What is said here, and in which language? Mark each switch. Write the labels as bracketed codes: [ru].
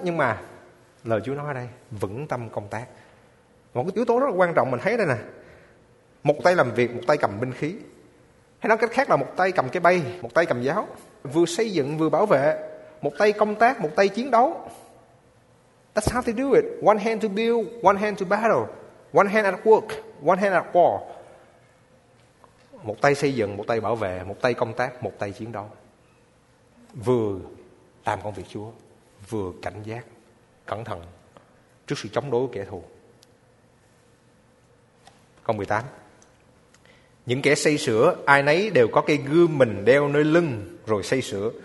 [vi] Nhưng mà lời Chúa nói đây, vững tâm công tác. Một cái yếu tố rất là quan trọng mình thấy đây nè. Một tay làm việc, một tay cầm binh khí. Hay nói cách khác là một tay cầm cái bay, một tay cầm giáo. Vừa xây dựng, vừa bảo vệ. Một tay công tác, một tay chiến đấu. [en] That's how they do it. One hand to build, one hand to battle. One hand at work, one hand at war. [vi] Một tay xây dựng, một tay bảo vệ, một tay công tác, một tay chiến đấu. Vừa làm công việc Chúa, vừa cảnh giác, cẩn thận trước sự chống đối của kẻ thù. Câu 18. Những kẻ xây sửa, ai nấy đều có cây gươm mình đeo nơi lưng rồi xây sửa.